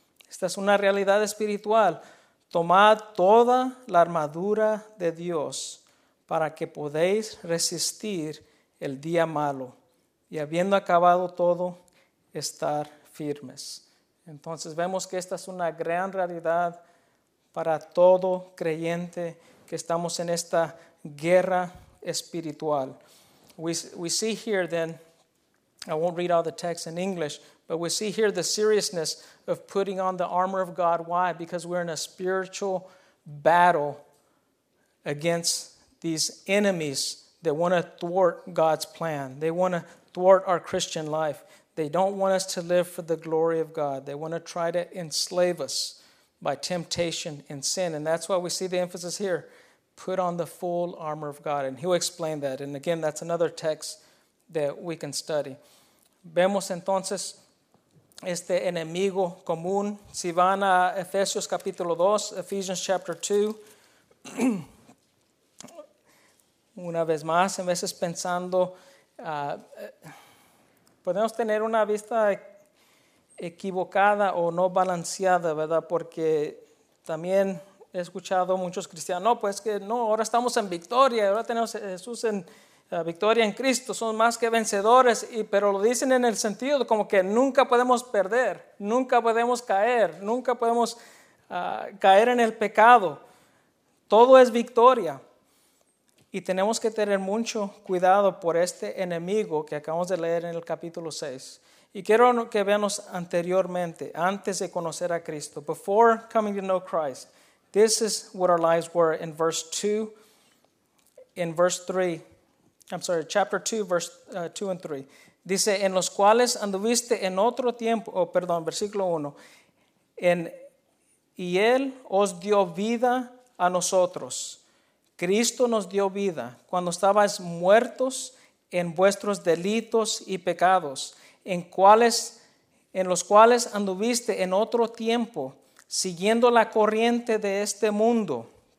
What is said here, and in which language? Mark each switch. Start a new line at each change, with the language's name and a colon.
Spanish: Esta es una realidad espiritual. Tomad toda la armadura de Dios para que podáis resistir el día malo. Y habiendo acabado todo, estar firmes. Entonces vemos que esta es una gran realidad para todo creyente que estamos en esta guerra espiritual.
English: We see here then, I won't read all the text in English, but we see here the seriousness of putting on the armor of God. Why? Because we're in a spiritual battle against these enemies that want to thwart God's plan. They want to thwart our Christian life. They don't want us to live for the glory of God. They want to try to enslave us by temptation and sin. And that's why we see the emphasis here. Put on the full armor of God. And he'll explain that. And again, that's another text that we can study.
Spanish: Vemos entonces este enemigo común. Si van a Efesios capítulo 2,
English: Ephesians chapter 2.
Spanish: Una vez más, en veces pensando, podemos tener una vista equivocada o no balanceada, ¿verdad? Porque también he escuchado muchos cristianos, no, pues que no, ahora estamos en victoria, ahora tenemos a Jesús en victoria en Cristo, son más que vencedores, pero lo dicen en el sentido como que nunca podemos perder, nunca podemos caer, nunca podemos caer en el pecado. Todo es victoria. Y tenemos que tener mucho cuidado por este enemigo que acabamos de leer en el capítulo 6. Y quiero que veamos anteriormente, antes de conocer a Cristo,
English: before coming to know Christ, this is what our lives were in verse 2, in verse 3, I'm sorry, chapter 2, verse 2 and 3.
Spanish: Dice, en los cuales anduviste en otro tiempo, versículo 1, y él os dio vida a nosotros. Cristo nos dio vida cuando estabais muertos en vuestros delitos y pecados, en los cuales anduviste en otro tiempo, siguiendo la corriente de este mundo.